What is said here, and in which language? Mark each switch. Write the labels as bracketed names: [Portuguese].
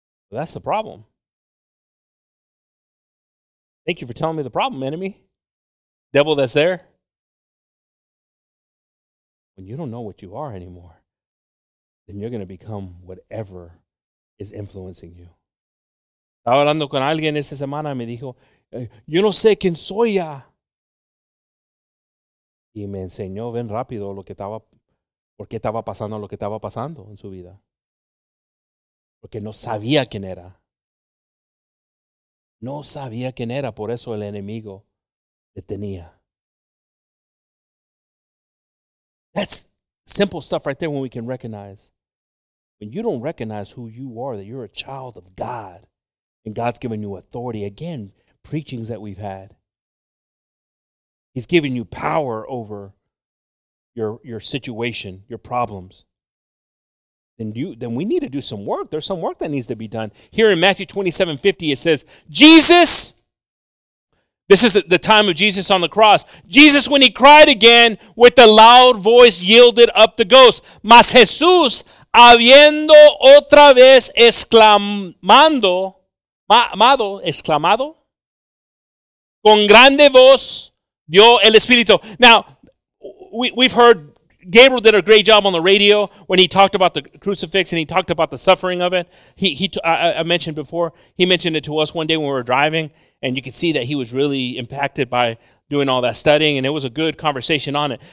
[English] Well, that's the problem. Thank you for telling me the problem, enemy. Devil that's there. when you don't know what you are anymore, then you're going to become whatever is influencing you. [Spanish] Estaba hablando con alguien esta semana y me dijo, yo no sé quién soy ya. Y me enseñó bien rápido lo que estaba, por qué estaba pasando lo que estaba pasando en su vida. Porque no sabía quién era. No sabía quién era, por eso el enemigo le tenía. [English] That's simple stuff right there when we can recognize. When you don't recognize who you are, that you're a child of God, and God's given you authority. Again, preachings that we've had. He's given you power over your situation, your problems. Then we need to do some work. There's some work that needs to be done. Here in Matthew 27:50, it says, Jesus, this is the time of Jesus on the cross. Jesus, when he cried again with a loud voice, yielded up the ghost. [Spanish] Mas Jesús, habiendo otra vez exclamado, con grande voz, dio el Espíritu. [English] Now, we've heard Gabriel did a great job on the radio when he talked about the crucifix and he talked about the suffering of it. I mentioned before, he mentioned it to us one day when we were driving, and you could see that he was really impacted by doing all that studying, and it was a good conversation on it.